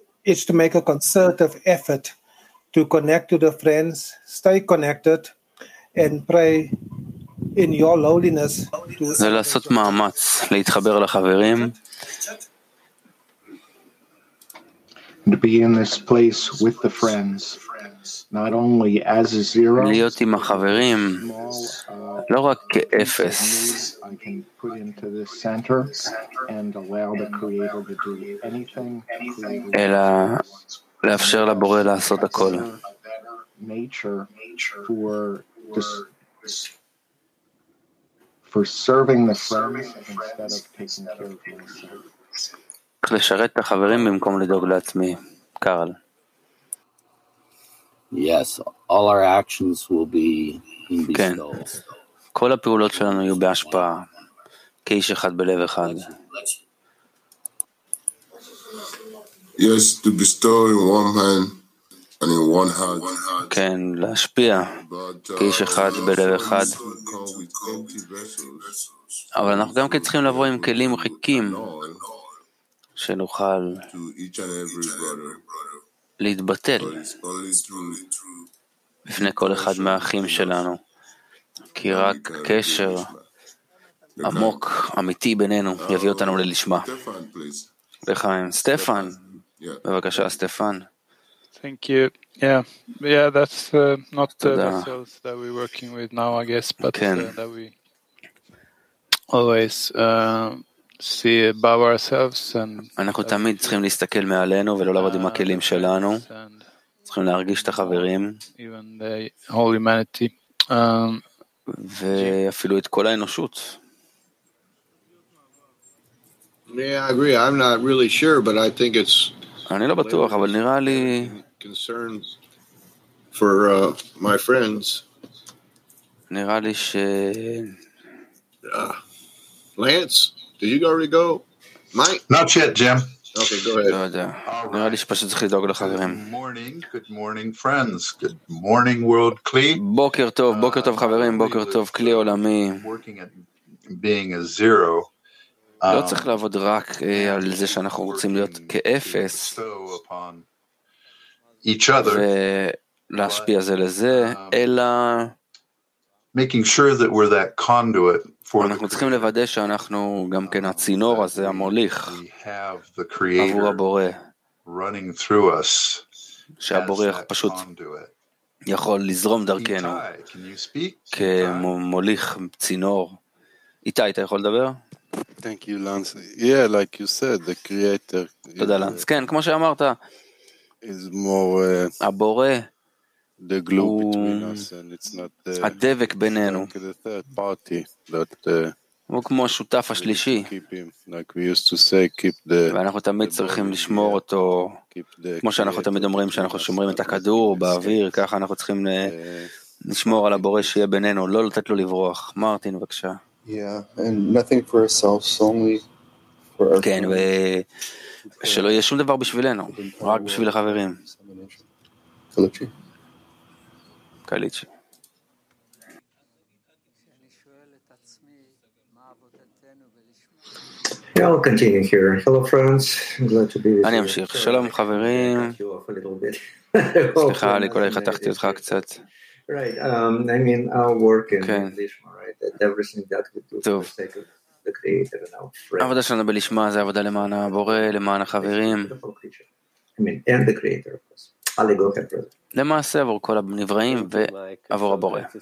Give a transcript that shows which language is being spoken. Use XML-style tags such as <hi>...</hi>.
<en>It's to make a concerted effort to connect to the friends, stay connected and pray in your loneliness.</en> <he>זה לעשות מאמץ להתחבר לחברים.</he> <en>To be in this place with the friends, not only as a zero.</en> <he>להיות עם החברים, לא רק כאפס.</he> <en>I can put into the center and allow the creator to do anything.</en> <he>אלא לאפשר לבורא לעשות הכל.</he> <en>Nature for this, for serving the friends instead of taking care of yourself.</en> <he>לשרת את החברים במקום לדאוג לעצמי. קארל.</he> <en>Yes, all our actions will be in this goal.</en> <he>כל הפעולות שלנו יהיו בהשפעה, כאיש אחד בלב אחד.</he> <en>Yes, to bestow in one hand and in one heart.</en> <he>כן, להשפיע, כאיש אחד בלב אחד. אבל אנחנו גם כן צריכים לבוא עם כלים ריקים שנוכל להתבטל בפני כל אחד מהאחים שלנו. כי רק קשר עמוק, אמיתי בינינו, יביא אותנו ללשמה. לחיים, סטפן. בבקשה, סטפן.</he> <en>Thank you. Yeah, that's not the vessels that we're working with now, I guess, but that we always see above ourselves.</en> <he>אנחנו תמיד צריכים להסתכל מעלינו ולא לעבוד עם הכלים שלנו. צריכים להרגיש את החברים.</he> <en>Even the whole humanity.</en> <he>ואפילו את כל האנושות.</he> <en>Yeah, I agree. I'm not really sure, but I think it's</en> <he>אני לא בטוח, אבל נראה לי</he> <en>concern for my friends.</en> <he>נראה לי ש</he> <en>Lance, did you already go? Mike? Not yet, Jim. Okay, go ahead.</en> <he>נראה לי שפשוט צריך לדאוג לחברים.</he> <en>Good morning, friends. Good morning, world Kli.</en> <he>בוקר טוב חברים, בוקר טוב כלי עולמי.</he> <en>Being a zero.</en> <he>לא צריך לעבוד רק על זה שאנחנו רוצים להיות כאפס.</he> <en>Each other.</en> <he>להשפיע זה לזה, אלא</he> <en>making sure that we're that conduit.</en> <he>אנחנו צריכים לוודא שאנחנו גם כן הצינור הזה המוליך עבור הבורא,</he> <en>running through us,</en> <he>שהבורא פשוט יכול לזרום דרכנו כמוליך צינור. איתי, אתה יכול לדבר?</he> <en>Thank you, Lance. Yeah, like you said, the creator.</en> <he>תודה, Lance. כן, כמו שאמרת,</he> <en>is more</en> <he>הבורא,</he> <en>the glue between us, and it's not</en> <he>הדבק בינינו,</he> <en>like the third party, that</en> <he>הוא כמו השותף השלישי,</he> <en>like we used to say, keep the,</en> <he>ואנחנו תמיד צריכים לשמור אותו, כמו שאנחנו תמיד אומרים שאנחנו שומרים את הכדור באוויר, ככה אנחנו צריכים לשמור על הבורא שיהיה בינינו, לא לתת לו לברוח. מרטין, בבקשה.</he> <en>Yeah, and nothing for ourselves, only for our</en> <he>כן, ושלא יהיה שום דבר בשבילנו, רק בשביל החברים. פליצ'י. קליצ'י.</he> <en>I'll continue here. Hello, friends. I'm glad to be with you.</en> <he>אני אמשיך. שלום, חברים. סליחה, אני כולי חתכתי אותך קצת.</he> <en>Right, I mean, our work in okay. Lishma, right, that everything that we do for the sake of the creator and our friends. I mean, and the creator, of course. Ali, go ahead, brother.</en> <he>למעשה עבור כל הנבראים ועבור הבורא.</he>